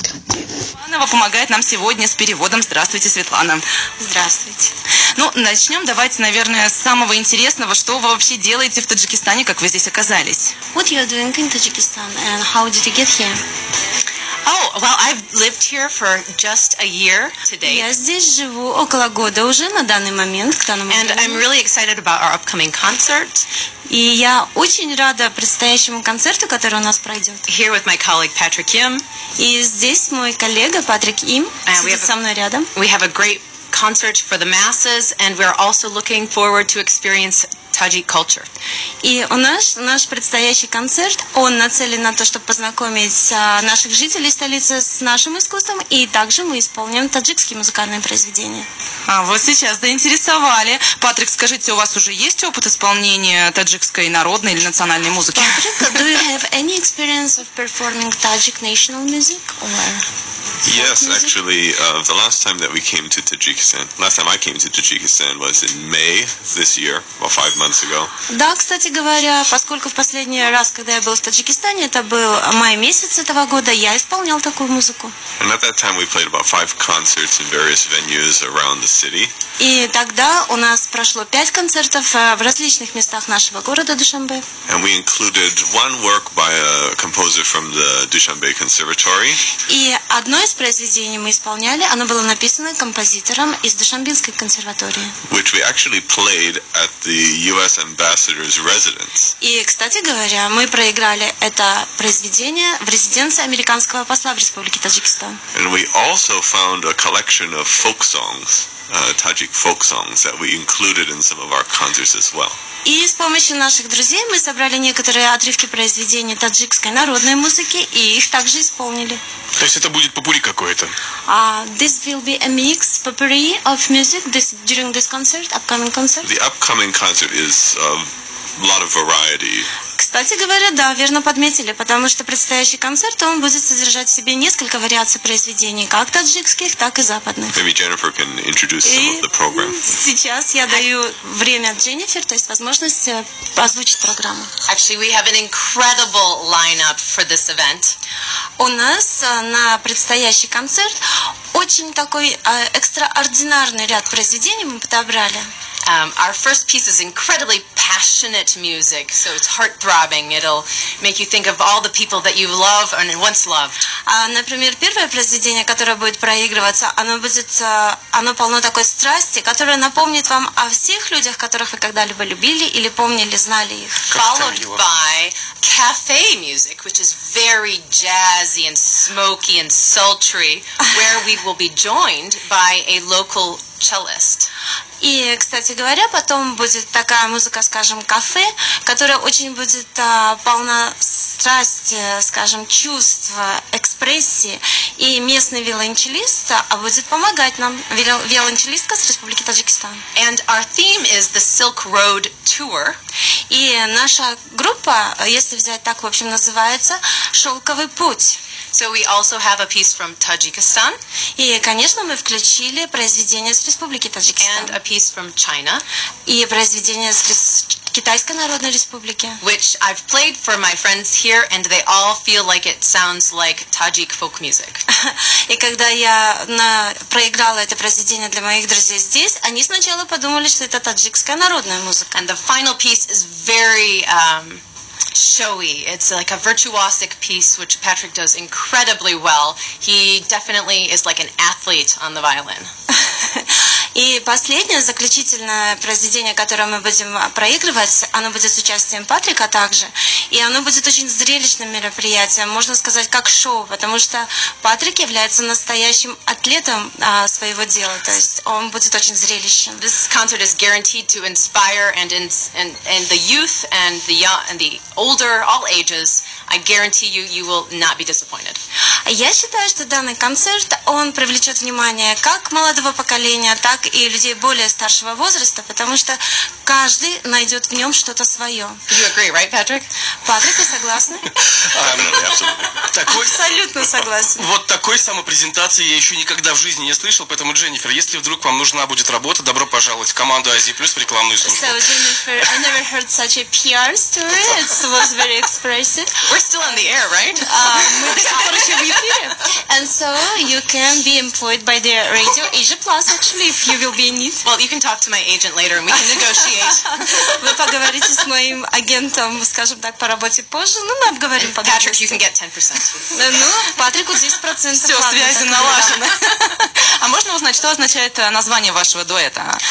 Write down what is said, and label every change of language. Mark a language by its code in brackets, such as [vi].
[ru] Светлана помогает нам сегодня с переводом. Здравствуйте, Светлана. Здравствуйте. Ну, начнем, давайте, наверное, с самого интересного. Что вы вообще делаете в Таджикистане, как вы здесь оказались? [en] What you're doing in Tajikistan and how did you get here? Oh, well, I've lived here for just a year today. [ru] Я здесь живу около года уже на данный момент, к данному [en] And [ru] времени. [en] I'm really excited about our upcoming concert. [ru] И я очень рада предстоящему концерту, который у нас пройдет. [en] Here with my colleague Patrick Kim. [ru] И здесь мой коллега Патрик Им сидит со мной рядом. [en] We have a great concert for the masses, and we're also looking forward to experience Tajik culture. [ru] И у нас наш предстоящий концерт, он нацелен на то, чтобы познакомить наших жителей столицы с нашим искусством, и также мы исполним таджикские музыкальные произведения. А вот сейчас заинтересовали. Патрик, скажите, у вас уже есть опыт исполнения таджикской народной или национальной музыки? [en] Патрик, do you have any experience of performing Tajik national music or... Yes, actually, the last time that we came to Tajikistan, last time I came to Tajikistan was in May this year, about 5 months ago. [ru] Да, кстати говоря, поскольку в последний раз, когда я был в Таджикистане, это был май месяц этого года, я исполнял такую музыку. [en] And at that time we played about 5 concerts in various venues around the city. [ru] И тогда у нас прошло 5 концертов в различных местах нашего города Душанбе. [en] And we included one work by a composer from the Dushanbe Conservatory. [ru] И одно из произведений мы исполняли, оно было написано композитором из Душанбинской консерватории. [en] Which we actually played at the U.S. Ambassador's residence. [ru] И, кстати говоря, мы проиграли это произведение в резиденции американского посла в Республике Таджикистан. [en] And we also found a collection of folk songs. Tajik folk songs that we included in some of our concerts as well. [ru] И с помощью наших друзей мы собрали некоторые отрывки произведений таджикской народной музыки и их также исполнили. То есть это будет попури какое-то? [en] This will be a mix popery of music this during this concert, upcoming concert. The upcoming concert is a lot of variety. [ru] Кстати говоря, да, верно подметили, потому что предстоящий концерт, он будет содержать в себе несколько вариаций произведений, как таджикских, так и западных. [en] Maybe Jennifer can introduce some of the program. [ru] Сейчас я даю время Дженнифер, то есть возможность озвучить программу. [en] Actually, we have an incredible lineup for this event. [ru] У нас на предстоящий концерт очень такой экстраординарный ряд произведений мы подобрали. [en] Our first piece is incredibly passionate music, so it's heart-throbbing. It'll make you think of all the people that you love and once loved. [ru] Например, первое произведение, которое будет проигрываться, оно полно такой страсти, которая напомнит вам о всех людях, которых вы когда-либо любили или помнили, знали их. [en] Followed by cafe music, which is very jazzy and smoky and sultry, where we will be joined by a local cellist. [ru] И, кстати говоря, потом будет такая музыка, скажем, кафе, которая очень будет полна страсти, скажем, чувства, экспрессии. И местный виолончелист будет помогать нам, виолончелистка с Республики Таджикистан. [en] And our theme is the Silk Road Tour. [ru] И наша группа, если взять так, в общем, называется «Шелковый путь». [en] So we also have a piece from Tajikistan. [ru] И, конечно, мы включили произведение из Республики Таджикистан. [en] And a piece from China. [ru] И произведение из Китайской Народной Республики. [en] Which I've played for my friends here, and they all feel like it sounds like Tajik folk music. [ru] И когда я проиграла это произведение для моих друзей здесь, они сначала подумали, что это таджикская народная музыка. [en] And the final piece is very... showy. It's like a virtuosic piece which Patrick does incredibly well. He definitely is like an athlete on the violin. [ru] И последнее, заключительное произведение, которое мы будем проигрывать, оно будет с участием Патрика также. И оно будет очень зрелищным мероприятием, можно сказать, как шоу, потому что Патрик является настоящим атлетом своего дела. То есть он будет очень зрелищным. [en] This concert is guaranteed to inspire and the youth and the young and the older, all ages. I guarantee you, you will not be disappointed. [ru] Я считаю, что данный концерт, он привлечет внимание как молодого поколения, так и людей более старшего возраста, потому что каждый найдет в нем что-то свое. [en] You agree, right, Patrick? [ru] Патрик, вы согласны? Абсолютно согласен. Вот такой самопрезентации я еще никогда в жизни не слышал, поэтому, Дженнифер, если вдруг вам нужна будет работа, добро пожаловать в команду IZ Plus в рекламную службу. [en] So, Jennifer, I never heard such a PR story. It was very expressive. We're still on the air, right? [ru] Мы до сих пор еще в эфире. [en] And so you can be employed by the radio Asia Plus, actually, if you will be in need. Well, you can talk to my agent later and we can negotiate. [ru] Вы поговорите с моим агентом, скажем так, по работе позже. Ну, мы обговорим по-другому. [en] Patrick, you can get 10%. [ru] Ну, Патрику 10%. Все, связи налажены. А можно узнать, что означает название вашего дуэта?